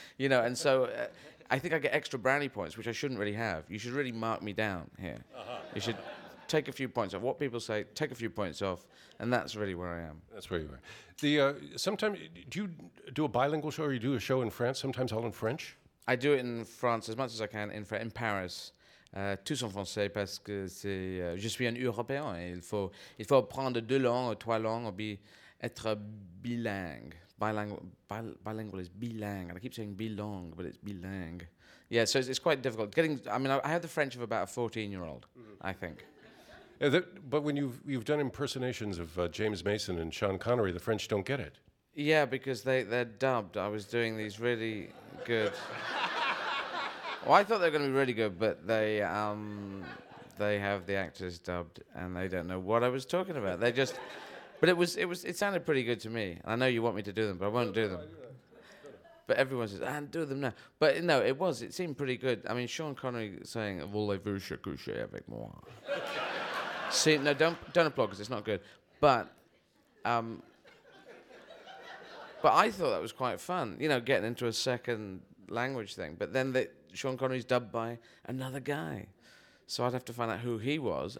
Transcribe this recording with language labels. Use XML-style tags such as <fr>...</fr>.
<en>You know, and so I think I get extra brownie points, which I shouldn't really have. You should really mark me down here. Uh-huh. You should take a few points off. What people say, take a few points off, and that's really where I am. That's where you are. The sometimes, do you do a bilingual show, or you do a show in France, sometimes all in French? I do it in France as much as I can, in Paris.</en> <fr>Tous en français, parce que c'est, je suis un Européen. Il faut apprendre deux langues, trois langues, être bilingue.</fr> <en>Bilingual is bilingue. And I keep saying bilingue, but it's bilingue. Yeah, so it's quite difficult. I have the French of about a 14-year-old, mm-hmm. I think. But when you've done impersonations of James Mason and Sean Connery, the French don't get it. Yeah, because they're dubbed. I was doing these really good. Well, I thought they were going to be really good, but they have the actors dubbed, and they don't know what I was talking about. They just, but it sounded pretty good to me. I know you want me to do them, but I won't do them. But everyone says, "And do them now." But no, it was. It seemed pretty good. I mean, Sean Connery saying</en> <fr>"Voulez-vous se coucher avec moi."</fr> <en>See, no, don't applaud, because it's not good. But I thought that was quite fun, you know, getting into a second language thing. But then Sean Connery's dubbed by another guy. So I'd have to find out who he was.</en>